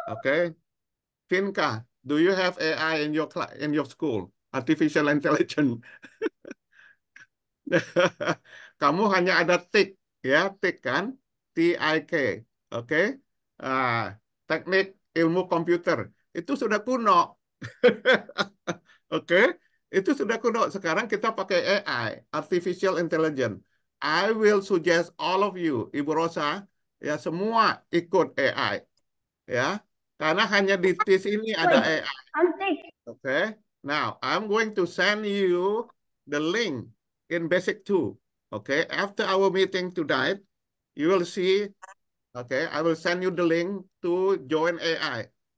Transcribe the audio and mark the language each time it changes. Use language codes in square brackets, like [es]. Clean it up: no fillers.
[en] Okay, Finca, do you have AI in your class, in your school? Artificial intelligence. [id] Kamu hanya ada TIK, ya TIK kan? TIK. Okay. Teknik ilmu komputer itu sudah kuno. Okay. Itu sudah kuno. Sekarang kita pakai AI, artificial intelligence. [en] I will suggest all of you, Ibu Rosa, [id] ya semua ikut AI, ya. Karena hanya di TIS ini ada AI. [en] Okay. Now I'm going to send you the link in Basic 2. Okay. After our meeting tonight, you will see. Okay. I will send you the link to join AI.